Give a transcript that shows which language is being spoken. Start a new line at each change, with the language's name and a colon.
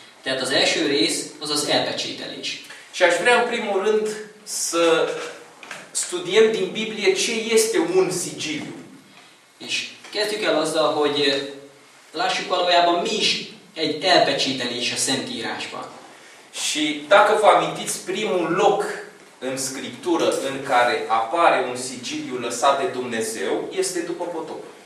Hungarian: Tehát az első rész az az elpecsételés.
Romanian: Și aș vrea în primul rând să studiem din Biblie ce este un sigiliu.
Hungarian: És kezdjük el azzal, hogy lássuk valójában mi is egy elpecsételés a Szentírásban.
Romanian: Și dacă vă amintiți primul loc în Scriptură în care apare un sigiliu lăsat de Dumnezeu, este după potop.